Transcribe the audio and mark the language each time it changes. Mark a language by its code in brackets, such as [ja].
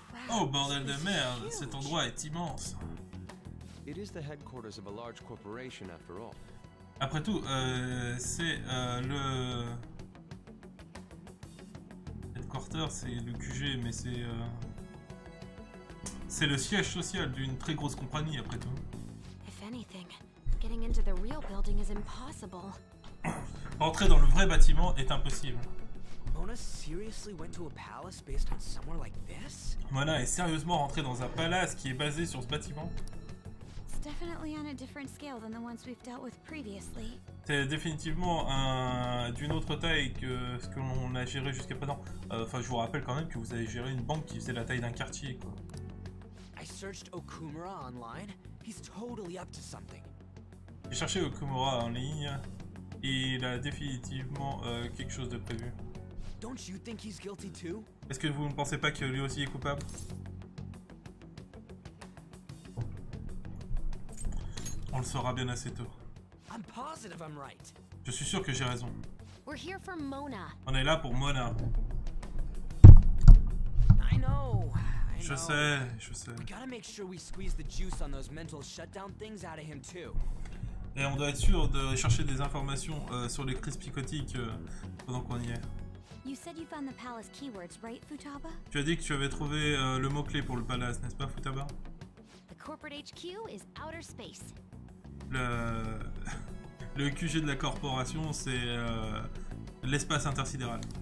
[fr] Oh bordel de merde, cet endroit est immense. [en] It is the headquarters of a large corporation after all. [fr] Après tout, c'est le headquarters, c'est le QG, mais c'est le siège social d'une très grosse compagnie après tout. [en] If anything, getting into the real building is impossible. [fr] Entrer dans le vrai bâtiment est impossible. [en] Mona seriously went to a palace based on somewhere like this? [fr] Mona est sérieusement rentrée dans un palace qui est basé sur ce bâtiment. [en] It's definitely on a different scale than the ones we've dealt with previously. [fr] C'est définitivement d'une autre taille que ce que l'on a géré jusqu'à présent. Enfin, je vous rappelle quand même que vous avez géré une banque qui faisait la taille d'un quartier, quoi. [en] I searched Okumura online. He's totally up to something. [fr] J'ai cherché Okumura en ligne. Il a définitivement quelque chose de prévu. [en] Don't you think he's guilty too? [fr] Est-ce que vous ne pensez pas que lui aussi est coupable? On le saura bien assez tôt. [en] I'm positive I'm right. [fr] Je suis sûr que j'ai raison. [en] We're here for Mona. [fr] On est là pour Mona. [en] I know. [fr] Je sais, je sais. [en] We gotta make sure we squeeze the juice on those mental shutdown things out of him too. [fr] Et on doit être sûr de chercher des informations sur les crises psychotiques pendant qu'on y est. [en] You said you found the palace keywords, right, Futaba? [fr] Tu as dit que tu avais trouvé le mot-clé pour le palace, n'est-ce pas, Futaba? [en] The corporate HQ is outer space. [fr] Le QG de la corporation, c'est l'espace intersidéral.